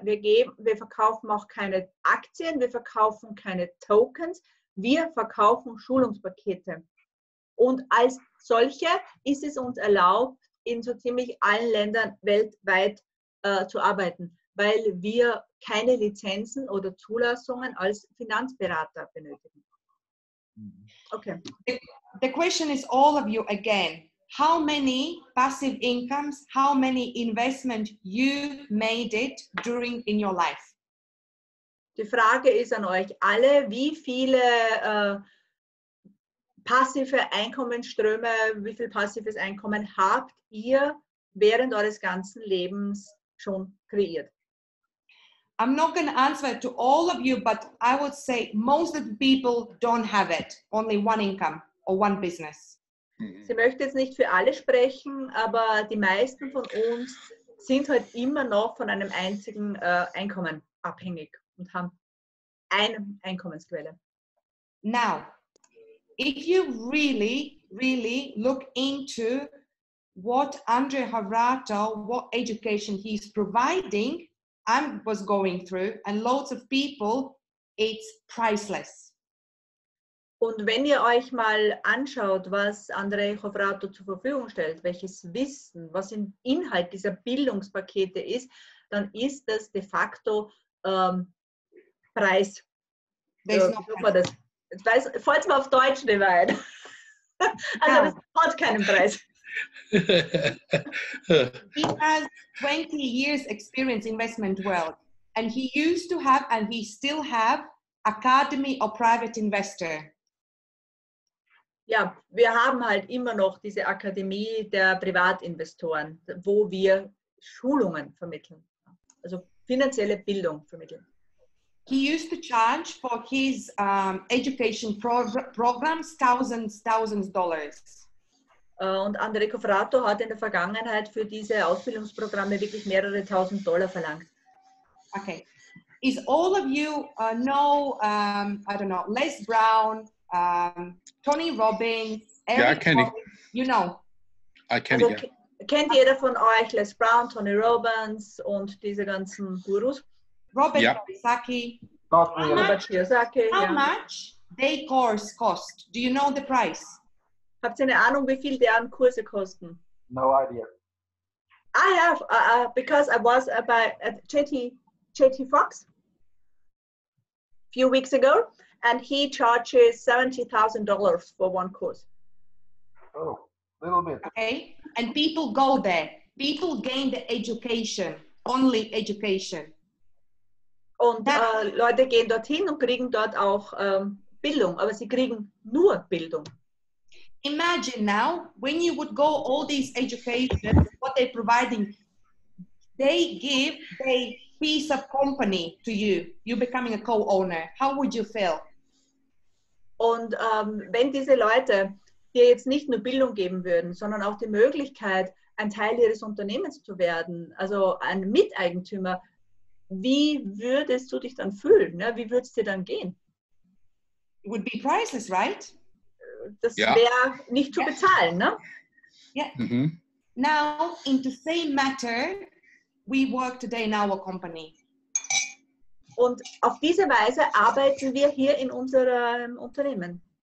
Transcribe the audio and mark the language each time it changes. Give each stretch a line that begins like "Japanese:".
German: Wir verkaufen auch keine Aktien, wir verkaufen keine Tokens, wir verkaufen Schulungspakete. Und als solche ist es uns erlaubt, in so ziemlich allen Ländern weltweit zu arbeiten, weil wir keine Lizenzen oder Zulassungen als Finanzberater benötigen.
English: Okay. The question is all of you again. How many passive incomes, how many investment you made it during in your life?
German: Die Frage ist an euch alle, wie viele passive Einkommensströme, wie viel passives Einkommen habt ihr während eures ganzen Lebens schon kreiert?
English: I'm not going to answer to all of you, but I would say most of the people don't have it. Only one income or one business.
German: Sie möchte jetzt nicht für alle sprechen, aber die meisten von uns sind halt immer noch von einem einzigen Einkommen abhängig und haben eine Einkommensquelle.
English: Now, if you really, really look into what Andre Harato, what education he's providing, I was going through, and lots of people, it's priceless.
German: Und wenn ihr euch mal anschaut, was Andrej Hovrato zur Verfügung stellt, welches Wissen, was im Inhalt dieser Bildungspakete ist, dann ist das de facto Preis. Falls man auf Deutsch nicht weit. Also das hat keinen Preis.
English: He has 20 years experience investment world and he used to have and he still have Academy of Private Investor.
German: Ja, wir haben halt immer noch diese Akademie der Privatinvestoren, wo wir Schulungen vermitteln, also finanzielle Bildung vermitteln.
English: He used to charge for his education programs thousands of dollars.
German: Und André Cofrato hat in der Vergangenheit für diese Ausbildungsprogramme wirklich mehrere tausend Dollar verlangt.
English: Okay. Is all of you know, I don't know, Les Brown, Tony Robbins, Eric Robbins, you know.
German: Kennt jeder von euch Les Brown, Tony Robbins und diese ganzen Gurus?
English: Robert Kiyosaki. How much their course cost? Do you know the price?
German: Habt ihr eine Ahnung, wie viel deren Kurse kosten?
English: No idea. I have, because I was at JT Fox a few weeks ago, and he charges $70,000 for one course. Oh, little bit. Okay, and people go there. People gain the education, only education.
German: Und Leute gehen dorthin und kriegen dort auch Bildung, aber sie kriegen nur Bildung.
English: Imagine now, when you would go all these education, what they're providing, they give a piece of company to you. You're becoming a co-owner. How would you feel?
German: Und wenn diese Leute dir jetzt nicht nur Bildung geben würden, sondern auch die Möglichkeit, ein Teil ihres Unternehmens zu werden, also ein Miteigentümer, wie würdest du dich dann fühlen? Ne? Wie würdest du dir dann gehen?
English: It would be priceless, right?
German: Das wäre nicht zu bezahlen, ne?
English: Yeah. Mm-hmm. Now, in the same matter, we work today in our company.
German: Und auf diese Weise arbeiten wir hier in unserem Unternehmen.